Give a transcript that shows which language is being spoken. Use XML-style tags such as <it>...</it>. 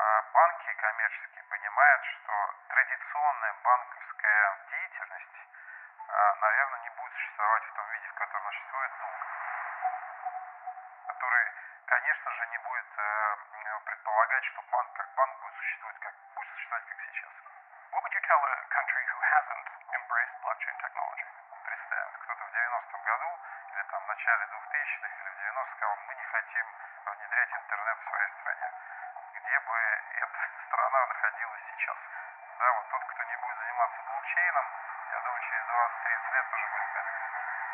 <ru>Банки коммерческие понимают, что традиционная банковская деятельность, наверное, не будет существовать в том виде, в котором существует долг, который, конечно же, не будет предполагать, что банк как банк будет существовать как сейчас.</ru> <en>What would you tell a country who hasn't embraced blockchain technology?</en> <ru>Представим, кто-то в 90-м году, или там в начале 2000-х, или в 90-х сказал, мы не хотим внедрять интернет в своей стране. Где бы эта страна находилась сейчас? Да, вот тот, кто не будет заниматься блокчейном, я думаю, через 20-30 лет уже будет понятно.</ru>